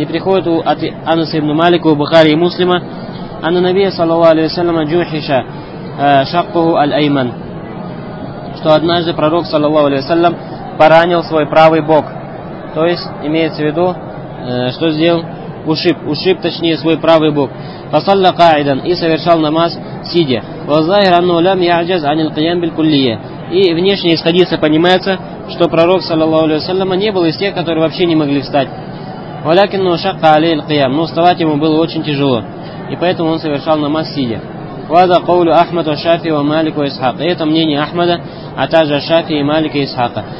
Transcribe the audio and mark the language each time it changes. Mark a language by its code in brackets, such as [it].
[ru] И приходит от Анаса ибн Малика у Бухари и Муслима, [ar] أن النبي صلى الله عليه وسلم جوحش شقه الأيمن. [ru] Что однажды пророк صلى الله عليه وسلم поранил свой правый бок. То есть имеется в виду, что сделал? Ушиб точнее свой правый бок. [ar] فصلى قاعدا [ru] и совершал намаз сидя. [ar] والظاهر أنه لم يعجز عن القيام بالكلية. [ru] И внешне из хадиса понимается, что пророк صلى الله عليه وسلم не был из тех, которые вообще не могли встать. [ar] ولكن شق عليه القيام. [ru] Но вставать ему было очень тяжело. И поэтому он совершал намаз сидя. [ar] Вада Каулю Ахмад Ашафи и Малика Исхака. [ru] Это мнение Ахмада, а также Ашафи и Малика Исхака.